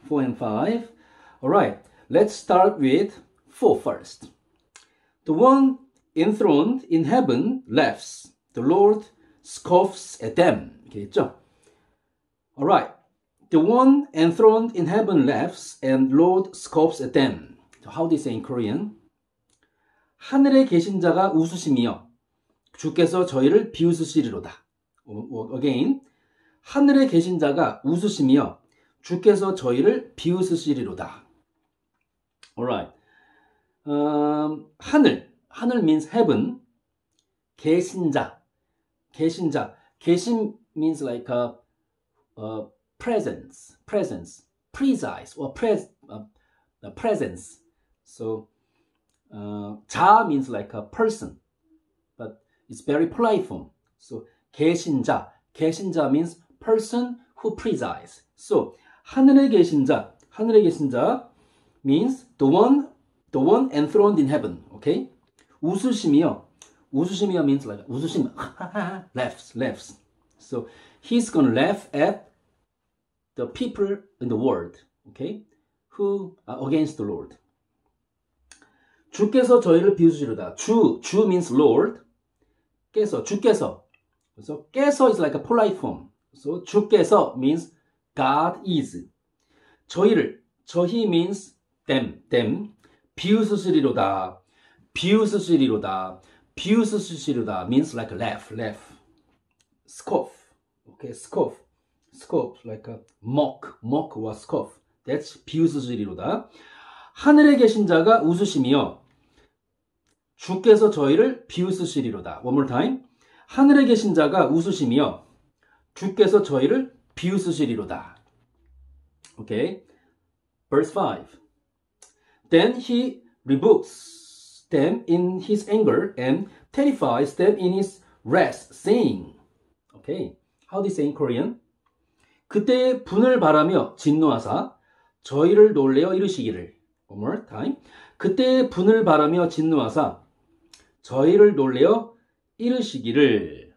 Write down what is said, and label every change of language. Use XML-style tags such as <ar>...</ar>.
<en>4 and 5. Alright, let's start with 4 first. The one enthroned in heaven laughs. The Lord scoffs at them. Alright, the one enthroned in heaven laughs and Lord scoffs at them. How do you say in Korean?</en> <ko>하늘에 계신 자가 웃으시며 주께서 저희를 비웃으시리로다. Again, 하늘에 계신 자가 웃으시며 주께서 저희를 비웃으시리로다.</ko> <en>Alright. 하늘 means heaven.</en> <ko>계신 자.</ko> <en>계신 means like presence. So, 자 means like a person, but it's very polite form. So, 계신자. 계신자 means person who presides. So,</en> <ko>하늘에 계신자</ko> <en>means the one enthroned in heaven. Okay? 웃으시며 means like, 웃으시며. laughs. So, he's gonna laugh at the people in the world. Okay? Who are against the Lord.</en> <ko>주께서 저희를 비웃으시리로다.</ko> <en>주 means Lord. 주께서.</en> <ko>그래서</ko> <en>께서 is like a polite form. So 주께서 means God is. 저희 means them. 비웃으시리로다 means like laugh. Scoff. Okay, scoff. Scoff like a mock or scoff. That's 비웃으시리로다.</en> <ko>하늘에 계신 자가 웃으시며 주께서 저희를 비웃으시리로다.</ko> <en>One more time.</en> <ko>하늘에 계신 자가 웃으시며 주께서 저희를 비웃으시리로다.</ko> <en>Okay. Verse 5. Then he rebukes them in his anger and terrifies them in his wrath, saying. Okay. How do you say in Korean?</en> <ko>그때의 분을 바라며 진노하사 저희를 놀래어 이르시기를.</ko> <en>One more time.</en> <ko>그때의 분을 바라며 진노하사 저희를 놀래어 이르시기를.</ko>